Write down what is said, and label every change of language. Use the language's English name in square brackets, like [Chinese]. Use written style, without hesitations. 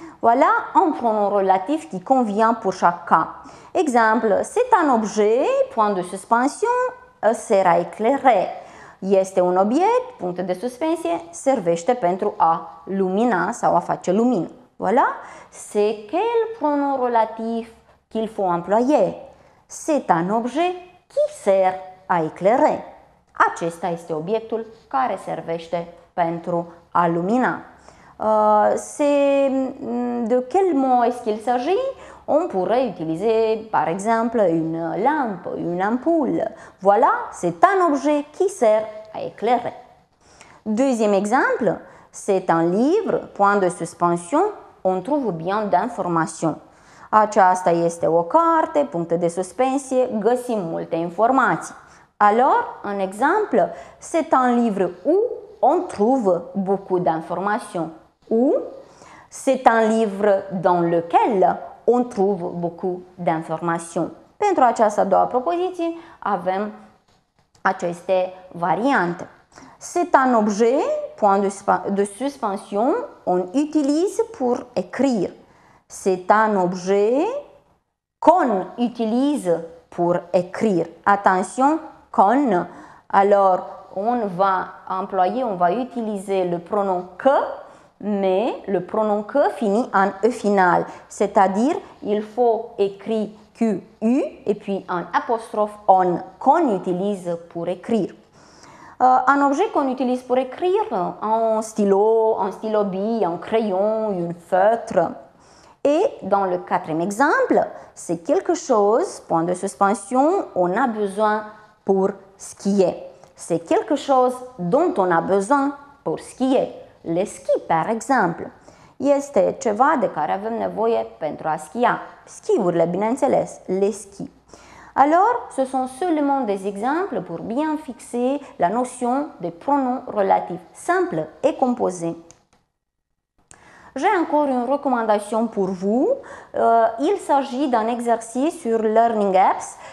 [French] Voilà un pronom relatif qui convient pour chaque cas. Exemple, c'est un objet, point de suspension, sera éclairé. [Romanian] Este un obiect, punct de suspensie, servește pentru a lumina sau a face lumină. [French] Voilà. C'est quel pronom relatif qu'il faut employer? C'est un objet qui sert à éclairer. [Romanian] Acesta este obiectul care servește pentru a lumina. [French] C'est de quel mot est-ce qu'il s'agit? On pourrait utiliser, par exemple, une lampe, une ampoule. Voilà, c'est un objet qui sert à éclairer. Deuxième exemple, c'est un livre, point de suspension, on trouve bien d'informations. [Romanian] Aceasta este o carte, punct de suspensie, găsim multe informații. [French] Alors, un exemple, c'est un livre où on trouve beaucoup d'informations. Ou, c'est un livre dans lequel on trouve beaucoup d'informations. [Romanian] Pentru această a doua propoziție, avem aceste variante. [French] C'est un objet, point de suspension, on utilise pour écrire. C'est un objet qu'on utilise pour écrire. Attention, qu'on. Alors, on va employer, on va utiliser le pronom que, mais le pronom que finit en e final. C'est-à-dire, il faut écrire que, u, et puis un apostrophe on, qu'on utilise pour écrire. Un objet qu'on utilise pour écrire, un stylo bille, un crayon, une feutre. Et dans le quatrième exemple, c'est quelque chose, point de suspension, on a besoin pour skier. C'est quelque chose dont on a besoin pour skier. Les skis, par exemple. [Romanian] Este ceva de care avem nevoie pentru a skia. Skiurile, bineînțeles, [French] les skis. Alors, ce sont seulement des exemples pour bien fixer la notion de pronom relatif simple et composé. J'ai encore une recommandation pour vous. Il s'agit d'un exercice sur Learning Apps.